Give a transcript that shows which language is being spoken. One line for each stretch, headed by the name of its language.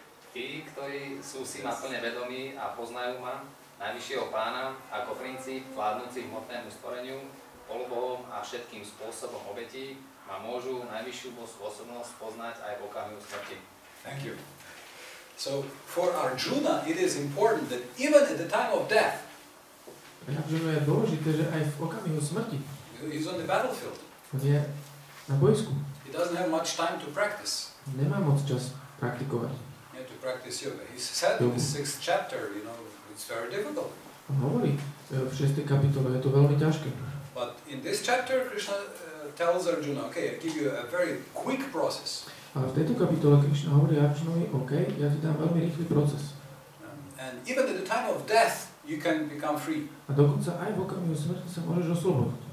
Slovak: Tí, ktorí sú si na plne vedomí a poznajú ma, najvyššieho pána, ako princíp vládnúci hmotnému stvoreniu, polobohom a všetkým spôsobom obeti, ma môžu najvyššiu osobnosť poznať aj v okamihu smrti.
English: Thank you. So for Arjuna it is important that even at the time of death,
Slovak: je dôležité, že aj v okamihu smrti,
English: he's on the battlefield.
Slovak: On je na bojsku.
English: He doesn't have much time to practice.
Slovak: Nemá moc čas praktikovať.
English: He had to practice yoga. He said in the sixth chapter, you know, it's very difficult.
Slovak: Hovorí v 6. kapitole, je to veľmi ťažké.
English: But in this chapter Krishna tells Arjuna, okay, I give you a very quick process.
Slovak: A v tejto kapitole Krishna hovorí Arjunovi, okay, ja ti dám veľmi rýchly proces.
English: And even at the time of death you can become free.
Slovak: A dokonca aj v okamihu smrti sa môžeš oslobodiť.